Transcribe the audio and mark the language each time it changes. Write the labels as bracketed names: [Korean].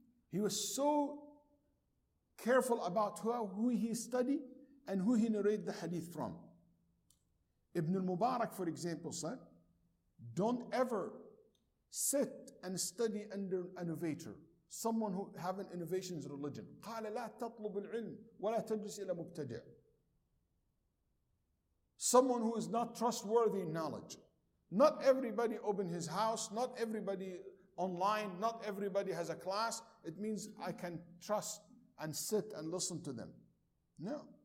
[English] He was so careful about who he study and who he narrate the hadith from. Ibn al-Mubarak, for example, said, don't ever sit and study under an innovator, someone who have an innovation's religion. [Arabic] قال لا تطلب العلم ولا تجلس إلى مبتدع. [English] Someone who is not trustworthy in knowledge. Not everybody open his house, not everybody online, not everybody has a class. It means I can trust and sit and listen to them. No.